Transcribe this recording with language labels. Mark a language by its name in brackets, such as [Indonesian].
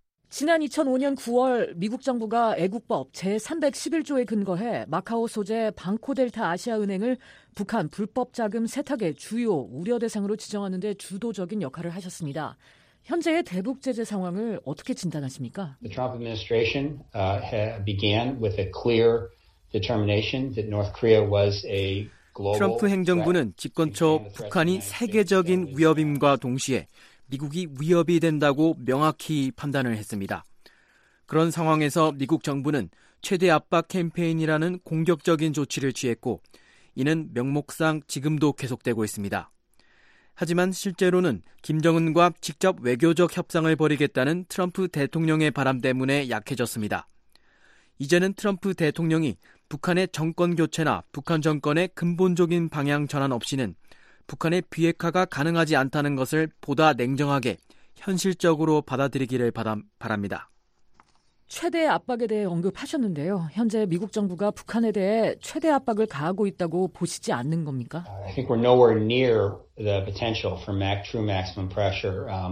[Korean] 지난 2005년 9월 미국 정부가 애국법 제311조에 근거해 마카오 소재 방코델타 아시아은행을 북한 불법 자금 세탁의 주요 우려 대상으로 지정하는 데 주도적인 역할을 하셨습니다. 현재의 대북 제재 상황을 어떻게 진단하십니까? [English] The Trump administration began with a clear determination that North Korea was a [Korean] 트럼프 행정부는 집권 초 북한이 세계적인 위협임과 동시에 미국이 위협이 된다고 명확히 판단을 했습니다. 그런 상황에서 미국 정부는 최대 압박 캠페인이라는 공격적인 조치를 취했고 이는 명목상 지금도 계속되고 있습니다. 하지만 실제로는 김정은과 직접 외교적 협상을 벌이겠다는 트럼프 대통령의 바람 때문에 약해졌습니다. 이제는 트럼프 대통령이 북한의 정권 교체나 북한 정권의 근본적인 방향 전환 없이는 북한의 비핵화가 가능하지 않다는 것을 보다 냉정하게 현실적으로 받아들이기를 바랍니다. 최대 압박에 대해 언급하셨는데요. 현재 미국 정부가 북한에 대해 최대 압박을 가하고 있다고 보시지 않는 겁니까? [English] I think we're nowhere near the potential for true maximum pressure.